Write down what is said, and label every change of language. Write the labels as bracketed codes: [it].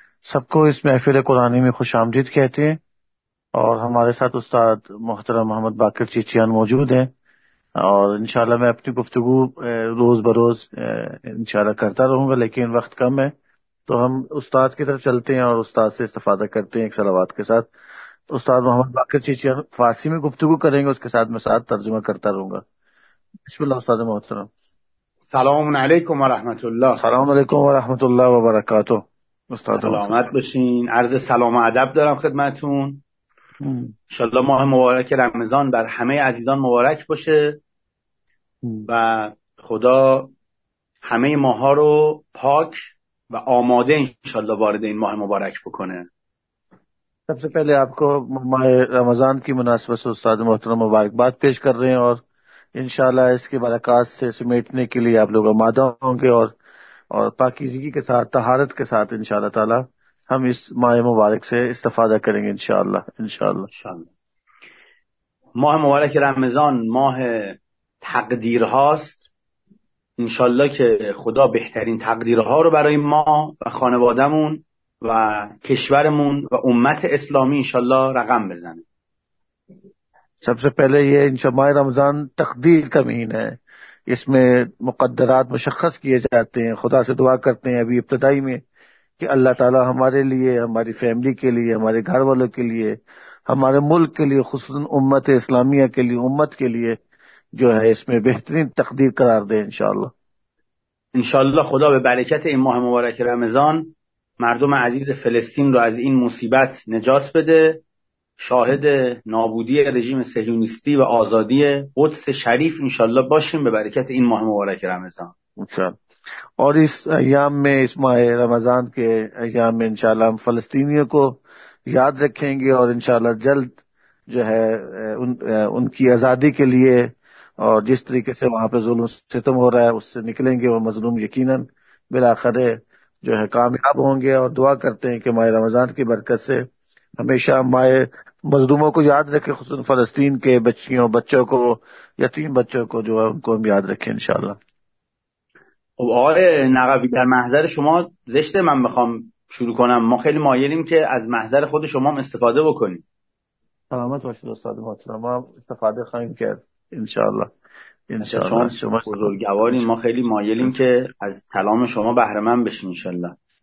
[hi] सबको इस महफिल कुरानी में खुश आमदीद कहते हैं, और हमारे साथ उस्ताद मोहतरम मोहम्मद बाकिर चीचियान मौजूद हैं, और इंशाल्लाह मैं अपनी गुफ्तगू रोज बरोज इंशाल्लाह करता रहूंगा, लेकिन वक्त कम है तो हम उस्ताद की तरफ चलते हैं और उस्ताद से इस्तफादा करते हैं एक सलावात के साथ। उस्ताद मोहम्मद बाकिर चीचियान फारसी में गुफ्तगू करेंगे, उसके साथ मैं साथ तर्जुमा करता रहूंगा। बिस्मिल्लाह उस्ताद मोहतरम। सलाम अलैकुम वरहमतुल्लाह। सलाम अलैकुम वरहमतुल्लाह वबरकातुह। उस्ताद सलामत मोहतरम, [fa] बशीन, عرض سلام و ادب دارم خدمتون. انشاءالله ماه مبارک رمضان بر همه عزیزان مبارک باشه و خدا همه ماها رو پاک و آماده انشاءالله وارد این ماه مبارک بکنه. [hi] सबसे पहले आपको माह रमजान की मुनासिबत से उस्ताद मोहतरम मुबारकबाद पेश कर रहे हैं, और इंशाल्लाह इसके बरकात से समेटने के लिए आप लोग आमादा होंगे, और पाकीजगी के साथ तहारत के साथ इंशाल्लाह ताला हम इस माह मुबारक से इस्तफादा करेंगे इंशाल्लाह इंशाल्लाह। [fa] ماه مبارک رمضان ماه تقدیر هاست. انشالله که خدا بهترین تقدیرها رو برای ما و خانوادهمون و کشورمون و امت اسلامی انشالله رقم بزنه. [hi] सबसे पहले ये माह रमजान तकदीर का महीना है, इसमें मुकद्दरात मुशख्खस किए जाते हैं। खुदा से दुआ करते हैं अभी इब्तदाई में कि अल्लाह ताला हमारे लिए, हमारी फैमिली के लिए, हमारे घर वालों के लिए, हमारे मुल्क के लिए, खुसूसन उम्मत इस्लामिया के लिए, उम्मत के लिए जो है इसमें बेहतरीन तकदीर करार दे इंशाल्लाह। انشاءالله خدا به برکت این ماه مبارک رمضان مردم عزیز فلسطین رو از این مصیبت نجات بده، شاهد نابودی رژیم صهیونیستی و آزادی قدس شریف انشاءالله باشیم به برکت این ماه مبارک رمضان. अच्छा, और इस अय्याम में, इस माह रमजान के अय्याम में इंशाल्लाह हम फलस्तीनियों को याद रखेंगे, और इंशाल्लाह जल्द जो है उनकी आजादी के लिए, और जिस तरीके से वहां पे जुल्म सितम हो रहा है उससे निकलेंगे वो मजलूम, यकीनन बिलाखरे जो है कामयाब होंगे। और दुआ करते हैं कि माह रमजान की बरकत से हमेशा माह मजलूमों को याद रखे, खुसूसन फलस्तीन के बच्चियों बच्चों को, यतीम बच्चों को जो है उनको हम याद रखें इंशाल्लाह। [fa] خب آقای نقوی، در محضر شما زشته من بخوام شروع کنم، ما خیلی مایلیم که از محضر خود شما هم استفاده بکنیم. سلامت باشید استاد محترم، ما استفاده خواهیم کرد انشاءالله انشاءالله انشاءالله. شما بزرگواریم، ما خیلی مایلیم که از کلام شما بهره مند بشیم انشاءالله.